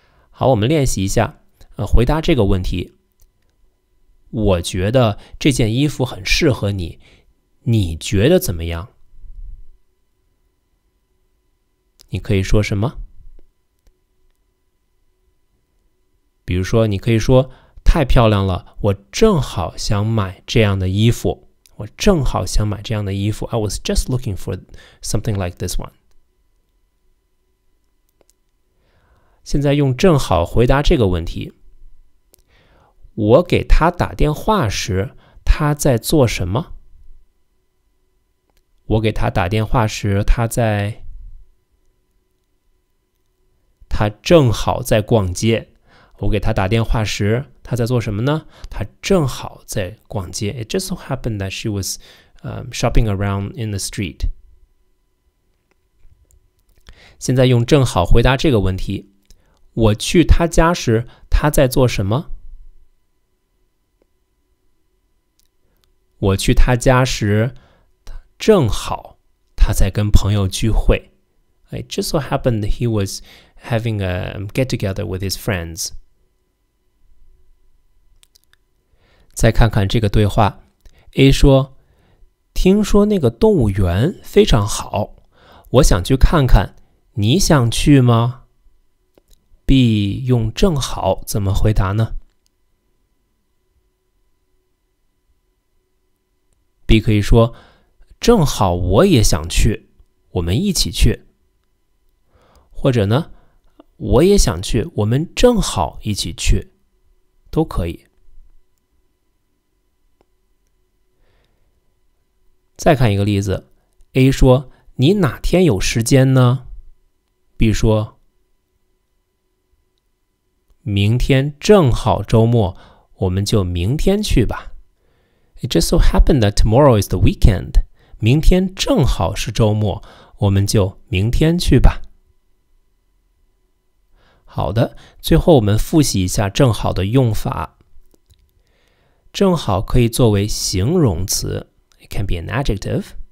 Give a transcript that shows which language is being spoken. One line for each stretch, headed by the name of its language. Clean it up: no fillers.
Chinese: 好，我们练习一下，回答这个问题。我觉得这件衣服很适合你，你觉得怎么样？你可以说什么？比如说，你可以说，太漂亮了，我正好想买这样的衣服。我正好想买这样的衣服。
English: I was just looking for something like this one.
Chinese: 现在用正好回答这个问题。我给他打电话时，他在做什么？我给他打电话时，他正好在逛街。我给他打电话时，他在做什么呢？他正好在逛街。
English: It just so happened that she was shopping around in the street.
Chinese: 现在用正好回答这个问题。我去他家时，他在做什么？我去他家时，正好他在跟朋友聚会。
English: It just so happened that he was having a get together with his friends.
Chinese: 再看看这个对话 ，A 说：“听说那个动物园非常好，我想去看看，你想去吗 ？”B 用正好怎么回答呢？ B 可以说，正好我也想去，我们一起去。或者呢，我也想去，我们正好一起去，都可以。再看一个例子 ，A 说，你哪天有时间呢 ？B 说，明天正好周末，我们就明天去吧。
English: It just so happened that tomorrow is the weekend.
Chinese: 明天正好是周末，我们就明天去吧。好的，最后我们复习一下正好的用法。正好可以作为形容词 ，
English: It can be an adjective.